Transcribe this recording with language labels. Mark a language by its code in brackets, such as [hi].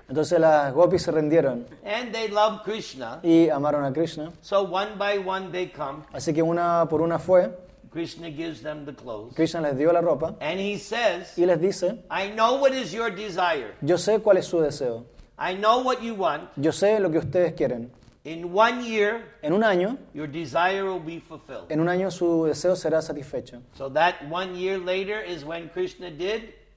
[es] Entonces las gopis se rendieron. [en] And they love Krishna. [es] Y amaron a Krishna. [en] So one by one they come. [es] Así que una por una fue. [en] Krishna gives them the clothes. [es] Krishna les dio la ropa. [en] And he says. [es] Y les dice. [en] I know what is your desire. [es] Yo sé cuál es su deseo. [en] I know what you want. [es] Yo sé lo que ustedes quieren. [en] In 1 year. [es] En un año. [en] Your desire will be fulfilled. [es] En un año su deseo será satisfecho. [en] So that 1 year later is when Krishna did.